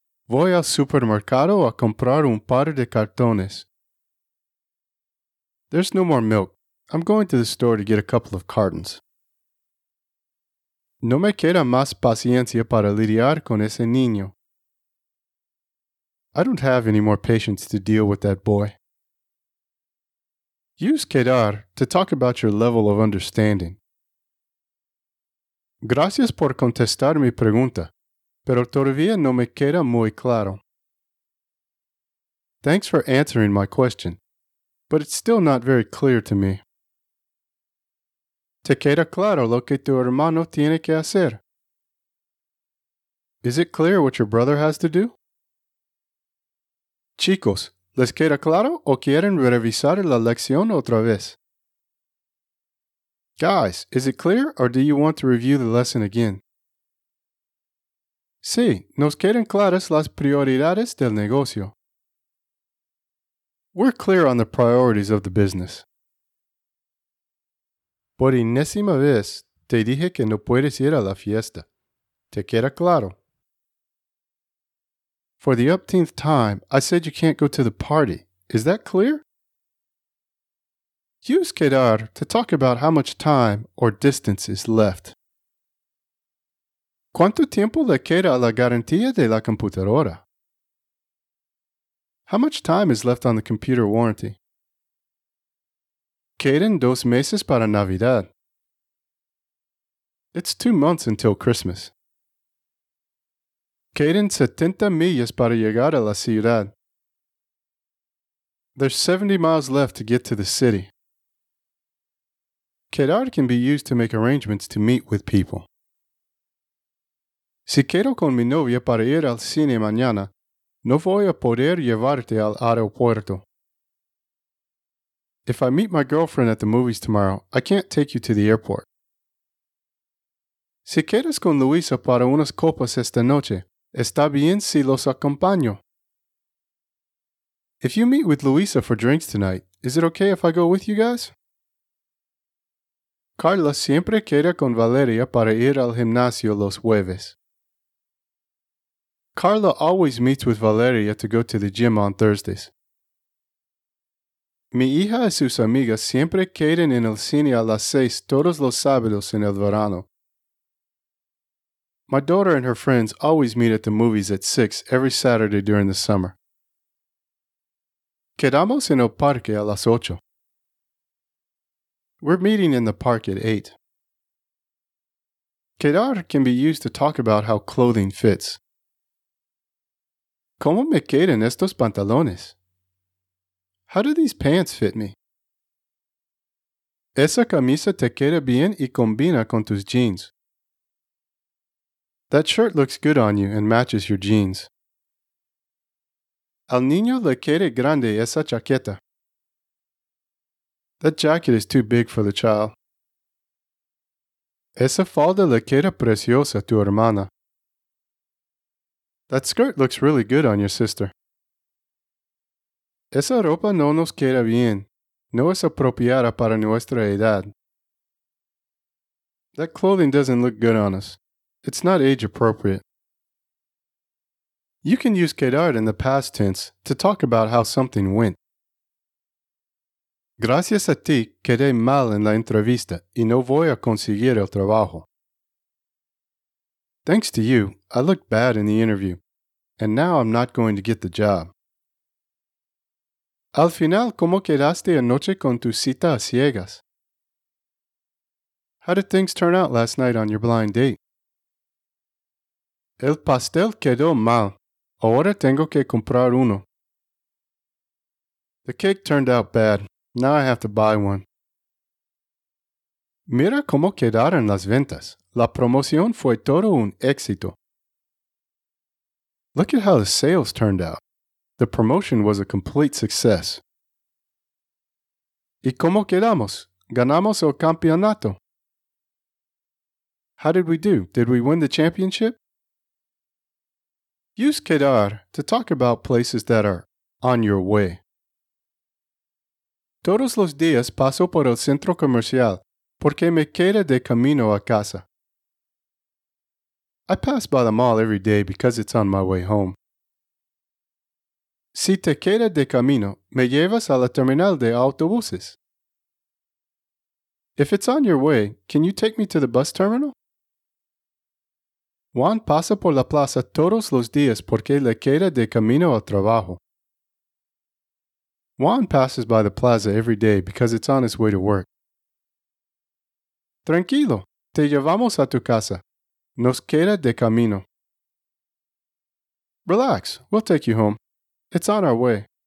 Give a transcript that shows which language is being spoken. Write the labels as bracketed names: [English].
[Spanish] Voy al supermercado a comprar un par de cartones. [English] There's no more milk. I'm going to the store to get a couple of cartons. [Spanish] No me queda más paciencia para lidiar con ese niño. [English] I don't have any more patience to deal with that boy. Use quedar to talk about your level of understanding. [Spanish] Gracias por contestar mi pregunta, pero todavía no me queda muy claro. [English] Thanks for answering my question, but it's still not very clear to me. [Spanish] ¿Te queda claro lo que tu hermano tiene que hacer? [English] Is it clear what your brother has to do? [Spanish] Chicos, ¿les queda claro o quieren revisar la lección otra vez? [English] Guys, is it clear or do you want to review the lesson again? [Spanish] Sí, nos quedan claras las prioridades del negocio. [English] We're clear on the priorities of the business. [Spanish] Por enésima vez, te dije que no puedes ir a la fiesta. ¿Te queda claro? [English] For the upteenth time, I said you can't go to the party. Is that clear? Use quedar to talk about how much time or distance is left. [Spanish] ¿Cuánto tiempo le queda a la garantía de la computadora? [English] How much time is left on the computer warranty? [Spanish] Quedan dos meses para Navidad. [English] It's 2 months until Christmas. [Spanish] Quedan 70 millas para llegar a la ciudad. [English] There's 70 miles left to get to the city. Quedar can be used to make arrangements to meet with people. [Spanish] Si quedo con mi novia para ir al cine mañana, no voy a poder llevarte al aeropuerto. [English] If I meet my girlfriend at the movies tomorrow, I can't take you to the airport. [Spanish] Si quedas con Luisa para unas copas esta noche, está bien si los acompaño. [English] If you meet with Luisa for drinks tonight, is it okay if I go with you guys? [Spanish] Carla siempre queda con Valeria para ir al gimnasio los jueves. [English] Carla always meets with Valeria to go to the gym on Thursdays. [Spanish] Mi hija y sus amigas siempre quedan en el cine a las 6 todos los sábados en el verano. [English] My daughter and her friends always meet at the movies at 6 every Saturday during the summer. [Spanish] Quedamos en el parque a las 8. [English] We're meeting in the park at 8. Quedar can be used to talk about how clothing fits. [Spanish] ¿Cómo me quedan estos pantalones? [English] How do these pants fit me? [Spanish] Esa camisa te queda bien y combina con tus jeans. [English] That shirt looks good on you and matches your jeans. [Spanish] Al niño le queda grande esa chaqueta. [English] That jacket is too big for the child. [Spanish] Esa falda le queda preciosa a tu hermana. [English] That skirt looks really good on your sister. [Spanish] Esa ropa no nos queda bien. No es apropiada para nuestra edad. [English] That clothing doesn't look good on us. It's not age appropriate. You can use quedar in the past tense to talk about how something went. [Spanish] Gracias a ti, quedé mal en la entrevista y no voy a conseguir el trabajo. [English] Thanks to you, I looked bad in the interview, and now I'm not going to get the job. [Spanish] Al final, ¿cómo quedaste anoche con tu cita a ciegas? [English] How did things turn out last night on your blind date? [Spanish] El pastel quedó mal. Ahora tengo que comprar uno. [English] The cake turned out bad. Now I have to buy one. [Spanish] Mira cómo quedaron las ventas. La promoción fue todo un éxito. [English] Look at how the sales turned out. The promotion was a complete success. [Spanish] ¿Y cómo quedamos? ¿Ganamos el campeonato? [English] How did we do? Did we win the championship? Use quedar to talk about places that are on your way. [Spanish] Todos los días paso por el centro comercial porque me queda de camino a casa. [English] I pass by the mall every day because it's on my way home. [Spanish] Si te queda de camino, me llevas a la terminal de autobuses. [English] If it's on your way, can you take me to the bus terminal? [Spanish] Juan pasa por la plaza todos los días porque le queda de camino al trabajo. [English] Juan passes by the plaza every day because it's on his way to work. [Spanish] Tranquilo, te llevamos a tu casa. Nos queda de camino. [English] Relax, we'll take you home. It's on our way.